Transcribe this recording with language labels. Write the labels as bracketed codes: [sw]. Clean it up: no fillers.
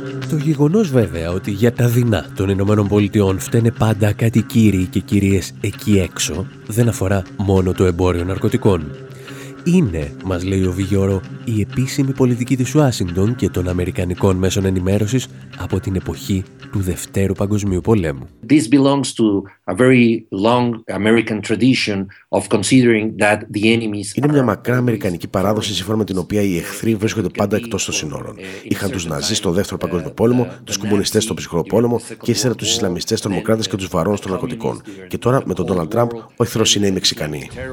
[el] Το γεγονός βέβαια ότι για τα δεινά των Ηνωμένων Πολιτειών φταίνε πάντα κάτι κύριοι και κυρίες εκεί έξω, δεν αφορά μόνο το εμπόριο ναρκωτικών. Είναι, μας λέει ο Βιγιόρο, η επίσημη πολιτική της Ουάσιγκτον και των Αμερικανικών μέσων ενημέρωσης από την εποχή του Δευτέρου Παγκοσμίου Πολέμου. [en] This belongs to a very long American tradition of considering that the enemies. [el] Είναι μια μακρά αμερικανική παράδοση σύμφωνα με την οποία οι εχθροί βρίσκονται πάντα εκτός των συνόρων. Είχαν τους Ναζί στο Δεύτερο Παγκόσμιο Πόλεμο, τους κομμουνιστές στον Ψυχρό Πόλεμο και ύστερα τους Ισλαμιστές, τρομοκράτες και τους βαρώνους των ναρκωτικών. Και τώρα με τον Ντόναλντ Τραμπ, ο εχθρός είναι οι Μεξικανοί.